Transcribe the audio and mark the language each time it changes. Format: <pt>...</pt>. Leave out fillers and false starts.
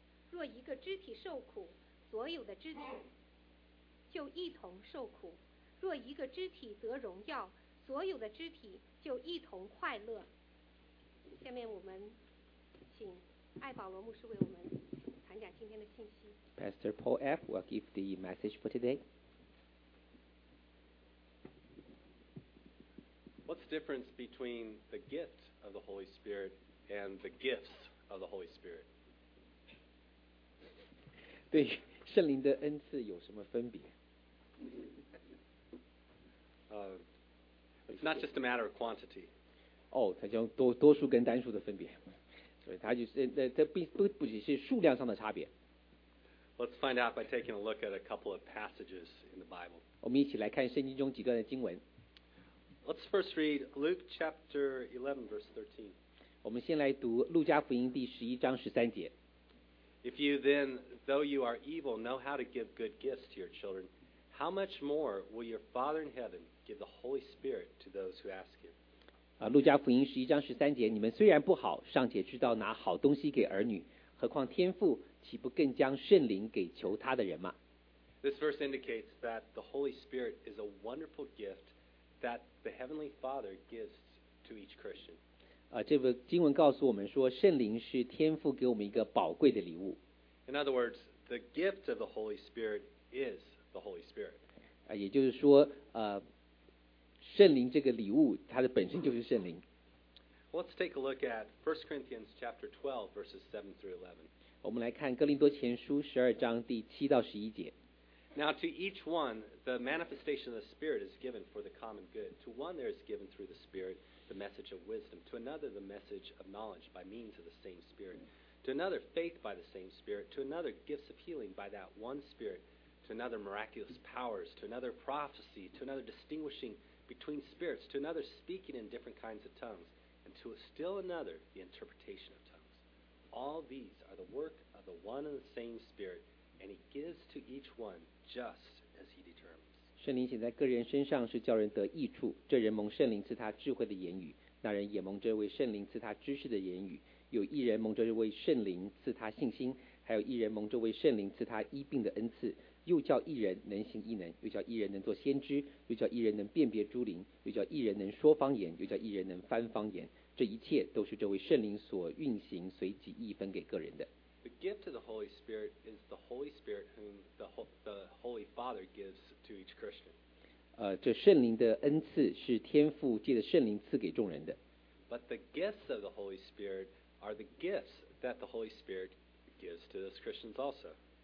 <zh>若一个肢体受苦，所有的肢体就一同受苦；若一个肢体得荣耀，所有的肢体就一同快乐。下面我们请爱保罗牧师为我们传讲今天的信息。</zh> <en>Pastor Paul F. will give the message for today. What's the difference between the gift of the Holy Spirit and the gifts of the Holy Spirit?</en> <zh>对圣灵的恩赐有什么分别？</zh> <en>It's not just a matter of quantity.</en> <zh>哦，他讲多数跟单数的分别。所以它就是这不只是数量上的差别。</zh> <en>Let's find out by taking a look at a couple of passages in the Bible.</en> <zh>我们一起来看圣经中几段的经文。</zh> <en>Let's first read Luke chapter 11 verse 13.</en> <zh>我们先来读路加福音第十一章十三节。</zh> <en>If you then, though you are evil, know how to give good gifts to your children, how much more will your Father in heaven give the Holy Spirit to those who ask him?</en> <zh>路加福音十一章十三节，你们虽然不好，尚且知道拿好东西给儿女，何况天父岂不更将圣灵给求他的人吗？</zh> <en>This verse indicates that the Holy Spirit is a wonderful gift that the Heavenly Father gives to each Christian.</en> <zh>这个经文告诉我们说，圣灵是天父给我们一个宝贵的礼物。</zh> <en>In other words, the gift of the Holy Spirit is the Holy Spirit.</en> <zh>也就是说，圣灵这个礼物，它的本身就是圣灵。</zh> <en>Let's take a look at 1 Corinthians chapter 12, verses 7 through 11.</en> <zh>我们来看哥林多前书十二章第七到十一节。</zh> <en>Now to each one, the manifestation of the Spirit is given for the common good. To one there is given through the Spirit the message of wisdom. To another the message of knowledge by means of the same Spirit. To another faith by the same Spirit. To another gifts of healing by that one Spirit. To another miraculous powers. To another prophecy. To another distinguishingBetween spirits, to another speaking in different kinds of tongues, and to still another the interpretation of tongues. All these are the work of the one and the same Spirit, and He gives to each one just as He determines.</en> <zh>圣灵显在个人身上是叫人得益处。这人蒙圣灵赐他智慧的言语，那人也蒙这位圣灵赐他知识的言语。有一人蒙这位圣灵赐他信心，还有一人蒙这位圣灵赐他医病的恩赐。又叫一人能行异能，又叫一人能做先知，又叫一人能辨别诸灵，又叫一人能说方言，又叫一人能翻方言。这一切都是这位圣灵所运行，随即一分给个人的。</zh> <en>The gift of the Holy Spirit is the Holy Spirit whom the Holy Father gives to each Christian.</en> <zh>这圣灵的恩赐是天父借着圣灵赐给众人的。</zh> <en>But the gifts of the Holy Spirit are the gifts that the Holy Spirit gives to those Christians also.</en>